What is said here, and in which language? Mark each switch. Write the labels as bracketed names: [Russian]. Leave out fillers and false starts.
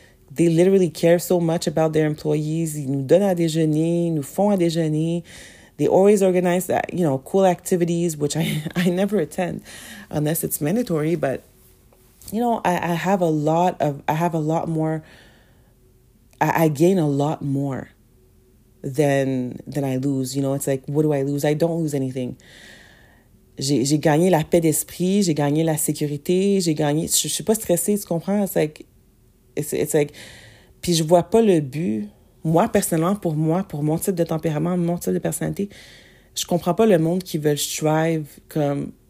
[English] they literally care so much about their employees. [French] Ils nous donnent à déjeuner, nous font à déjeuner. [English] They always organize that, you know, cool activities, which I never attend unless it's mandatory. But, you know, I gain a lot more than I lose. You know, it's like, what do I lose? I don't lose anything. [French] J'ai gagné la paix d'esprit, j'ai gagné la sécurité, j'ai gagné... Je suis pas stressée, tu comprends? [English] It's like... [French] Puis je vois pas le but. Moi, personnellement, pour moi, pour mon type de tempérament, mon type de personnalité, je comprends pas le monde qui veut strive comme...